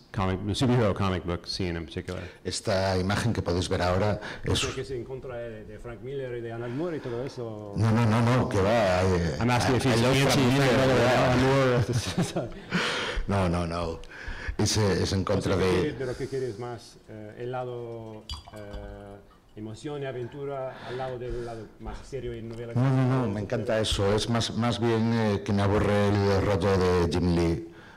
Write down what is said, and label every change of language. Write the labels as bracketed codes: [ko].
[en] comic, the superhero comic book scene in particular. [es] Esta imagen que podéis ver ahora es... ¿Qué se encuentra de Frank Miller y de Alan Moore y todo eso? No, que va. [en] I'm asking if he's anti-Frank Miller or Alan Moore. [es] No. Es en contra de... ¿De lo que quieres más? ¿El lado emoción y aventura al lado del lado más serio y novela? No, me encanta eso. Es más bien que me aburre el rollo de Jim Lee.